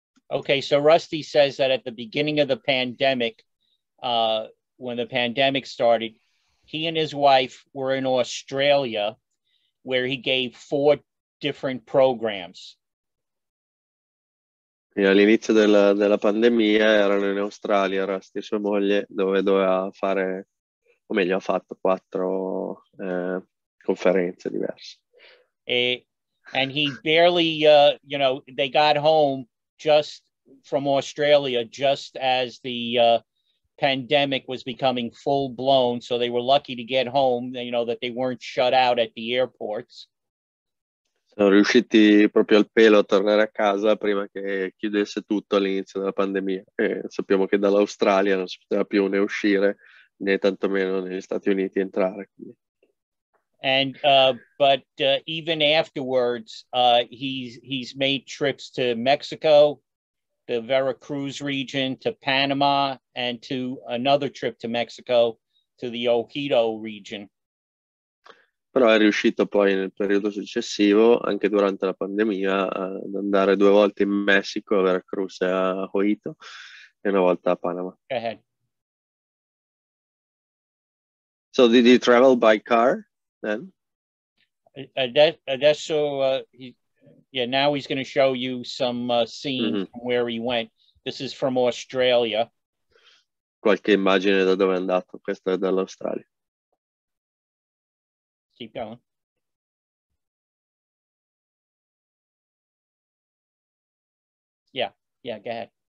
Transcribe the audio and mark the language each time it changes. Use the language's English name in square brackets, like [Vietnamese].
[English] Okay, so Rusty says that at the beginning of the pandemic, when the pandemic started, he and his wife were in Australia, where he gave 4 different programs. [Italian] All'inizio della pandemia erano in Australia, Rusty e sua moglie, dove doveva fare, o meglio, ha fatto 4 conferenze diverse. [English] And he barely, you know, they got home just from Australia, just as the pandemic was becoming full blown. So they were lucky to get home, you know, that they weren't shut out at the airports. [Italian] Sono riusciti proprio al pelo a tornare a casa prima che chiudesse tutto all'inizio della pandemia. E sappiamo che dall'Australia non si poteva più né uscire né tantomeno negli Stati Uniti entrare. Quindi. [English] And but even afterwards, he's made trips to Mexico, the Veracruz region, to Panama, and to another trip to Mexico, to the Ojito region. [Italian] Però è riuscito poi nel periodo successivo, anche durante la pandemia, ad andare 2 volte in Messico, a Veracruz e a Ojito, e una volta a Panama. [English] Go ahead. So did he travel by car then? Adesso, now he's going to show you some scene from where he went. This is from Australia. [Italian] Qualche immagine da dove è andato, questa è dall'Australia. [English] Keep going. Yeah, go ahead.